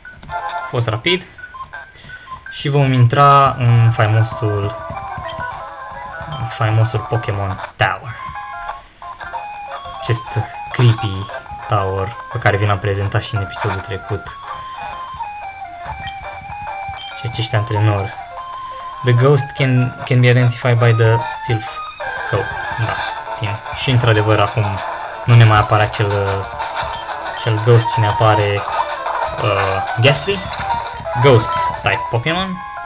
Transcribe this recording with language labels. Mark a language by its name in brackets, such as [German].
[Romanian] A fost rapid. Și vom intra în faimosul Pokémon Tower. Acest [English] creepy tower [Romanian] pe care vi l-am prezentat și în episodul trecut. Și acești antrenori. [English] The ghost can be identified by the sylph scope. [Romanian] Da, timp. Și într-adevăr acum nu ne mai apare acel ghost, ci ne apare Ghastly. Ghost type Pokémon.